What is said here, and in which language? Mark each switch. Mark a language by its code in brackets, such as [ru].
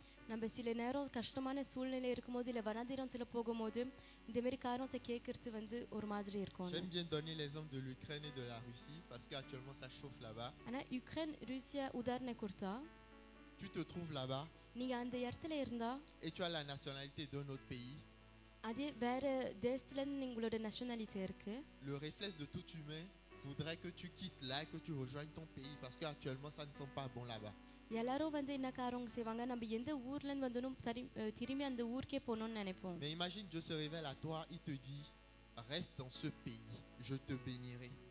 [ta] நம்ம சில நேரம் கஷ்டமான சூழ்நிலை இருக்கும் போது இல்லை வனாந்திரம் சில போகும் போது இந்த மாதிரி காரணத்தை கேட்கறது வந்து ஒரு மாதிரி இருக்கும். [fr] J'aime bien donner l'exemple de l'Ukraine et de la Russie parce qu'actuellement ça chauffe là-bas. [ta] ஆனா உக்ரைன் ருசியா உதாரணம் கொடுத்தா [fr] Tu te trouves là-bas. [ta] நீங்க அந்த இடத்துல இருந்தா [fr] Et tu as la nationalité d'un autre pays. [ta] அதே வேற தேசத்துல உங்களோட நேஷனாலிட்டி இருக்கு. [fr] Le réflexe de tout humain voudrait que tu quittes là et que tu rejoignes ton pays parce qu'actuellement ça ne sent pas bon là-bas. Mais imagine Dieu se révèle à toi, il te dit, reste dans ce pays, je te bénirai.